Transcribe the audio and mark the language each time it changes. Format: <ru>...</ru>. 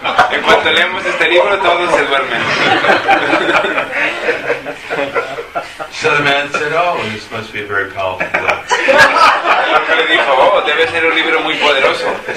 <es>En cuanto leemos este libro, todos se duermen.</es> <en>So the man said, "Oh, this must be a very powerful book."</en> <es>Le dijo, "Oh, debe ser un libro muy poderoso."</es>